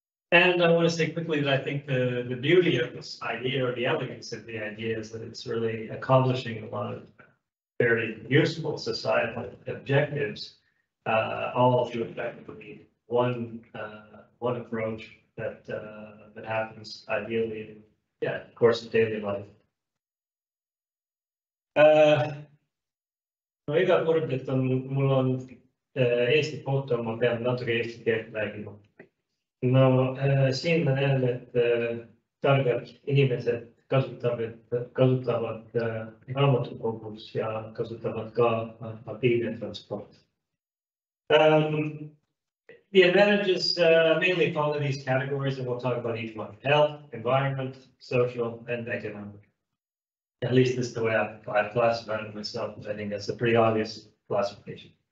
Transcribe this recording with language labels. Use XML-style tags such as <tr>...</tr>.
<en>And I want to say quickly that I think the beauty of this idea, or the elegance of the idea, is that it's really accomplishing a lot of very useful societal objectives, all through effectively one approach that happens ideally in, of course, in daily life.</en> <et>No iga kord, et on, mul on Eesti foto, ma pean natuke Eesti keelt räägima. No siin ma näen, et targad inimesed kasutavad raamatukogus ja kasutavad ka mobiilne transport.</et> <en>The advantages mainly follow these categories, and we'll talk about each one. Health, environment, social and economic. At least this is the way I've classified it myself. I think that's a pretty obvious classification.</en>